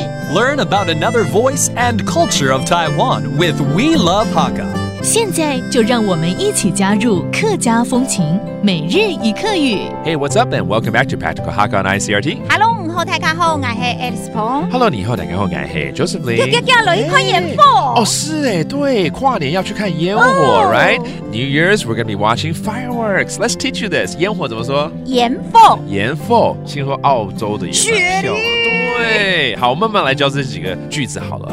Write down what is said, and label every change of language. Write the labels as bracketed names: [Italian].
[English] Learn about another voice and culture of Taiwan with We Love Hakka. [Chinese] 现在就让我们一起加入客家风情每日一客语。 [English] Hey, what's up and welcome back to Practical Hakka on ICRT. [Chinese] Hello, 午后大家好，我是 Alice Pong. Hello, 你好，大家好，我是 Joseph Lee. 哥哥哥，来看烟火。哦，是诶，对，跨年要去看烟火、 [English] oh. right? New Year's, we're going to be watching fireworks. Let's teach you this. [Chinese] 烟火怎么说？烟火。烟火，听说澳洲的也蛮漂亮。对，好，我慢慢来教这几个句子好了、